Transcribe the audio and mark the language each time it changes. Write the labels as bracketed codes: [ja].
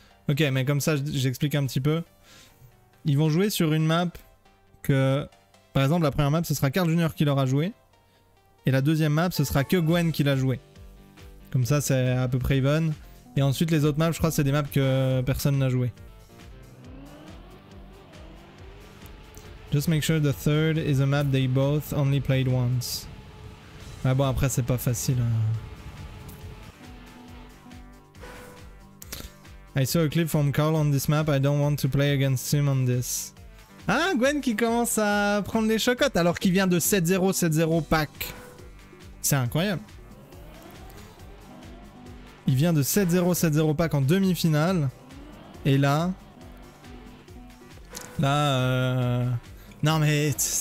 [fr] Ok, mais comme ça, j'explique un petit peu. Ils vont jouer sur une map que, par exemple, la première map, ce sera Carl Jr. qui l'aura joué. Et la deuxième map, ce sera que Gwen qui l'a joué. Comme ça, c'est à peu près even. Et ensuite, les autres maps, je crois que c'est des maps que personne n'a joué. [en] Just make sure the third is a map they both only played once. [fr] Ah bon, après, c'est pas facile. [en] I saw a clip from Carl on this map. I don't want to play against him on this. [fr] Ah, Gwen qui commence à prendre les chocottes alors qu'il vient de 7-0, 7-0 pack. C'est incroyable. Il vient de 7-0, 7-0 pack en demi-finale. Et là... Non mais...